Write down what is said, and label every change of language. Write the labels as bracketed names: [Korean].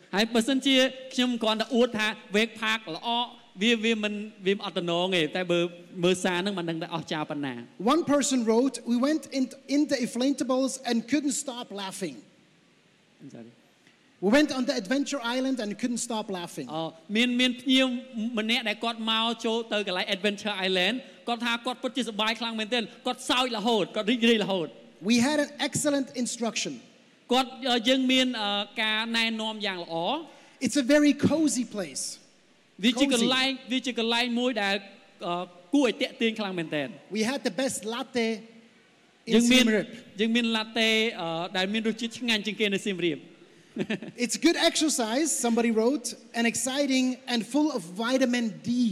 [English] One person wrote, "We went in the inflatables and couldn't stop laughing." We went on the adventure island and couldn't stop laughing. [Khmer] មានភ្ញៀវម្នាក់ដែលគាត់មកចូលទៅកន្លែង adventure island គាត់ថាគាត់ពិតជាសប្បាយខ្លាំងមែនទែនគាត់សើចរហូតគាត់រីករាយរហូត [English] We had an excellent instruction. [Khmer] គាត់យើងមានការណែនាំយ៉ាងល្អ [English] It's a very cozy place. [Khmer] វាជាកន្លែងវាជាកន្លែងមួយដែលគួរឲ្យទាក់ទាញខ្លាំងមែនទែន [English] We had the best latte in Siem Reap. [Khmer] យើងមានឡាតេដែលមានរសជាតិឆ្ងាញ់ជាងគេនៅ Siem Reap. [English] It's good exercise, somebody wrote, and exciting and full of vitamin D.